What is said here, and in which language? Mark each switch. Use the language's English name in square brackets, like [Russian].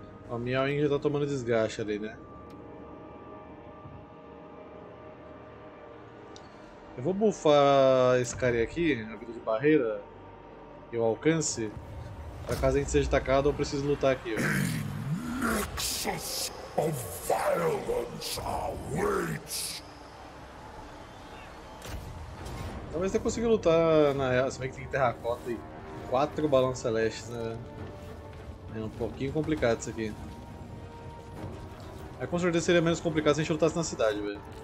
[Portuguese] A minha ainda tá tomando desgaste ali, né? Eu vou buffar esse cara aqui, a vida de barreira e o alcance, pra caso a gente seja atacado, eu preciso lutar aqui. Ó. [English] Nexus of violence awaits. [Portuguese] Talvez até consiga lutar na real, se bem que tem terracota e 4 balões celestes, né? É um pouquinho complicado isso aqui. Mas com certeza seria menos complicado se a gente lutasse na cidade, velho.